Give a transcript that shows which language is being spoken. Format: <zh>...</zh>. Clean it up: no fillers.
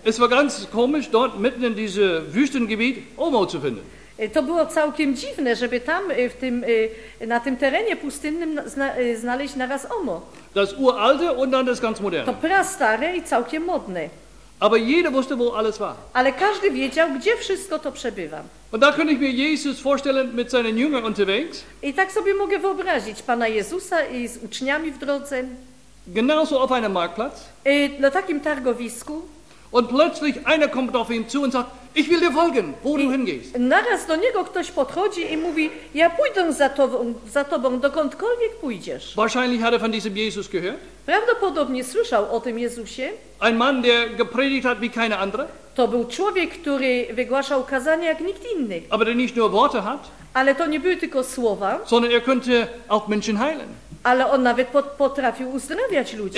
<de>Es war ganz komisch, dort mitten in diesem Wüstengebiet Omo zu finden.</de> <pl>To było całkiem dziwne, żeby tam w tym, na tym terenie pustynnym znaleźć naraz Omo.</pl> <de>Das uralte und dann das ganz moderne.</de> <pl>To prastare i całkiem modne.</pl> <de>Aber jeder wusste, wo alles war.</de> <pl>Ale każdy wiedział, gdzie wszystko to przebywa.</pl> <de>Und da könnte ich mir Jesus vorstellen mit seinen Jüngern unterwegs.</de> <pl>I tak sobie mogę wyobrazić Pana Jezusa i z uczniami w drodze.</pl> <de>Genauso auf einem Marktplatz.</de> <pl>Na takim targowisku.</pl> <de>Und plötzlich einer kommt auf ihn zu und sagt, ich will dir folgen, wo du hingehst.</de> <pl>Naraz do niego ktoś podchodzi i mówi, ja pójdę za tobą, dokądkolwiek pójdziesz.</pl> <de>Wahrscheinlich hat er von diesem Jesus gehört.</de> <pl>Prawdopodobnie słyszał o tym Jezusie.</pl> <de>Ein Mann, der gepredigt hat wie keine andere.</de> <pl>To był człowiek, który wygłaszał kazania jak nikt inny.</pl> <de>Aber der nicht nur Worte hat.</de> <pl>Ale to nie były tylko słowa.</pl> <de>Sondern er könnte auch Menschen heilen.</de> <pl>Ale on nawet potrafił uzdrawiać ludzi.</pl>